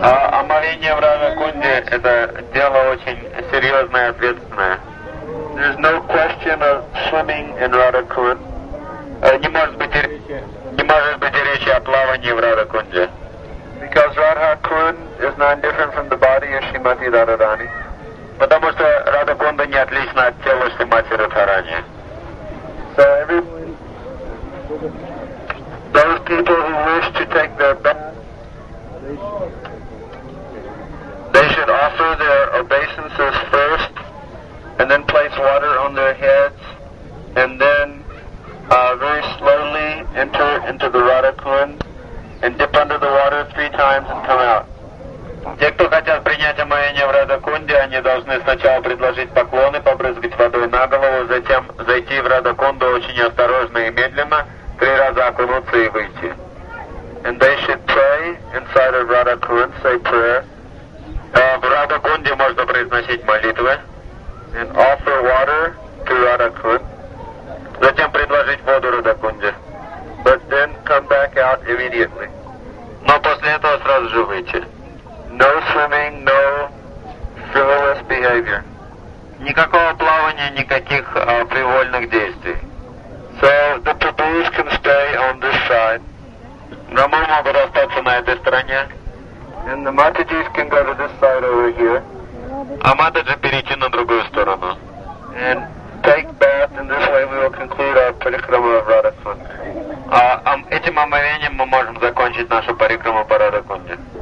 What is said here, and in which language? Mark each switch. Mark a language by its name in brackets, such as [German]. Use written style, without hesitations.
[Russian] Омовение в Радхакунде — это дело очень серьезное и ответственное. [English] There's no question of swimming in Radhakund. [Russian] Не может быть речи о плавании в Радхакунде. [English] Because Radhakund is not different from the body of Shrimati Radharani. [Russian] Потому что Радхакунда не отлична от тела Шримати Радхарани. [English] So everyone, those people who wish to take their bath, they should offer their obeisances first, and then place water on their heads, and then very slowly enter into the Radhakund, and dip under the water three times. times and come out. [Russian] Те, кто хотят принять омовение в Радха-кунде, они должны сначала предложить поклоны, побрызгать водой на голову, затем зайти в Радха-кунду очень осторожно и медленно, три раза окунуться и выйти. [English] And they should pray inside of Radha-kund, say prayer. [Russian] В Радха-кунде можно произносить молитвы. [English] And offer water to Radha-kund. [Russian] Затем предложить воду Радха-кунде. [English] But then come back out immediately. [Russian] Но после этого сразу же выйти. [English] No swimming, no frivolous behavior. [Russian] Никакого плавания, никаких привольных действий. [English] So the Prabhus can stay on this side. [Russian] Рама могут остаться на этой стороне. [English] And the Матаджис can go to this side over here. [Russian] А Матаджи перейти на другую сторону. [English] And take bath, and this way we will conclude our парикрама в Радха-кунде. [Russian] Этим омовением мы можем закончить нашу парикраму по Радха-кунде.